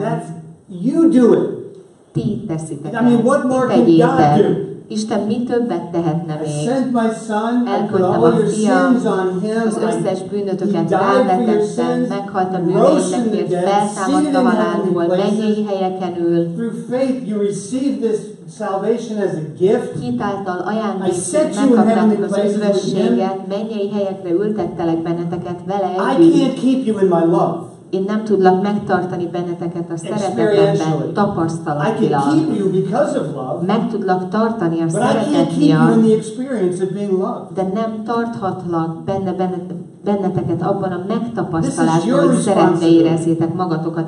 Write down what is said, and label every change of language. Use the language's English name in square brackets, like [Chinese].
[English] That's, you do it. [Hungarian] Ti teszitek. [English] I mean, what more can God do? [Hungarian] Isten mi többet tehetne még? [English] I sent my son, [Hungarian] elköltem a fiam, az összes bűnötöket rávetettem, meghalt a bűnösségért, feltámadtam a lángból, mennyei helyeken ül. [English] Through faith you receive this salvation as a gift. [Hungarian] Hit által ajándékként megkaptátok az üdvösséget, mennyei helyekre ültettelek benneteket vele együtt. [English] I can't keep you in my love. [Hungarian] Én nem tudlak megtartani benneteket a szeretetemben tapasztalatilag. Meg tudlak tartani a szeretet miatt, de nem tarthatlak benneteket abban a megtapasztalásban, hogy szeretve érezzétek magatokat.